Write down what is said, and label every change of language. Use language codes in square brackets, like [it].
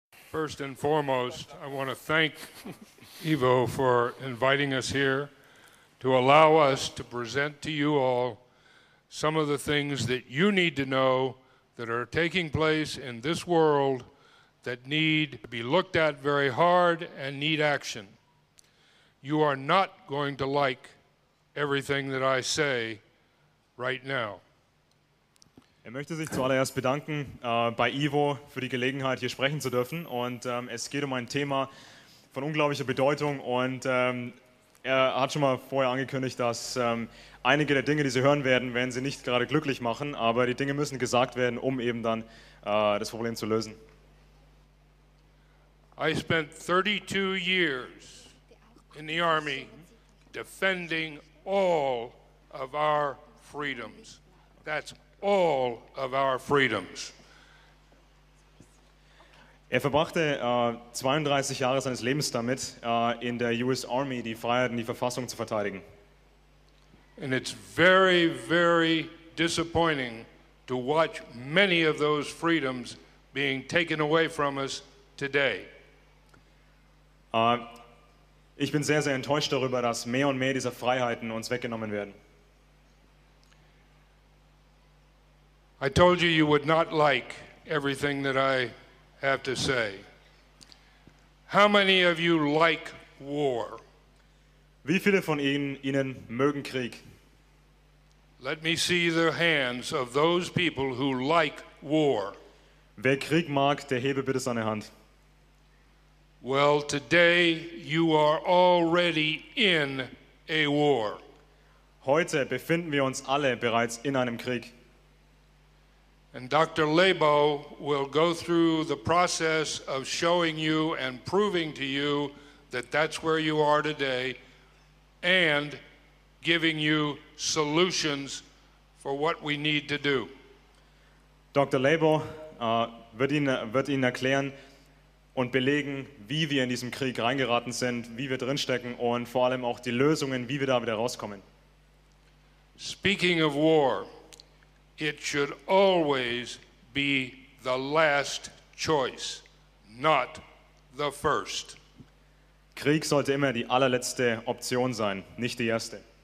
[en] First and foremost, I want to thank Ivo for inviting us here to allow us to present to you all some of the things that you need to know that are taking place in this world that need to be looked at very hard and need action. You are not going to like everything that I say right now. [de] Er möchte sich zuallererst bedanken bei Ivo für die Gelegenheit, hier sprechen zu dürfen. Und es geht um ein Thema von unglaublicher Bedeutung. Und er hat schon mal vorher angekündigt, dass einige der Dinge, die Sie hören werden, werden Sie nicht gerade glücklich machen. Aber die Dinge müssen gesagt werden, um eben dann das Problem zu lösen. [en] I spent 32 years in the Army defending all of our freedoms. That's all of our freedoms. [de] Er verbrachte 32 Jahre seines Lebens damit, in der US Army die Freiheiten, die Verfassung zu verteidigen. [en] And it's very, very disappointing to watch many of those freedoms being taken away from us today. [de] Ich bin sehr, sehr enttäuscht darüber, dass mehr und mehr dieser Freiheiten uns weggenommen werden. [en] I told you you would not like everything that I have to say. How many of you like war? [de] Wie viele von Ihnen mögen Krieg? [en] Let me see the hands of those people who like war. [de] Wer Krieg mag, der hebe bitte seine Hand. [en] Well, today you are already in a war. [de] Heute befinden wir uns alle bereits in einem Krieg. [en] And Dr. Lebo will go through the process of showing you and proving to you that that's where you are today and giving you solutions for what we need to do. [de] Dr. Lebo wird Ihnen erklären und belegen, wie wir in diesem Krieg reingeraten sind, wie wir drinstecken und vor allem auch die Lösungen, wie wir da wieder rauskommen. [en] Speaking of war, it should always be the last choice, not the first. [de] Krieg sollte immer die allerletzte Option sein, nicht die erste.